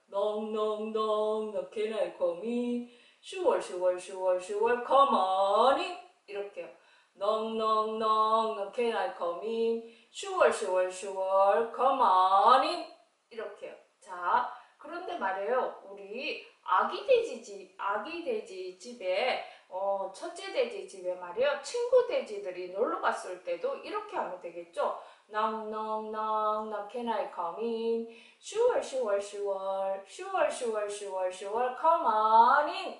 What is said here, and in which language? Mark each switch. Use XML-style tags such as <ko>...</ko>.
<en>Knock, knock, knock, can I come in? Sure, sure, sure, sure, come on in.</en> <ko>이렇게요.</ko> <en>Knock, knock, knock, can I come in? Sure, sure, sure, come on in.</en> <ko>이렇게요. 자. 그런데 말이에요, 우리 아기 돼지 집에, 첫째 돼지 집에 말이에요, 친구 돼지들이 놀러 갔을 때도 이렇게 하면 되겠죠?</ko> <en>Knock, knock, knock, knock, can I come in? Sure, sure, sure, sure, sure, sure, sure, come on in.</en>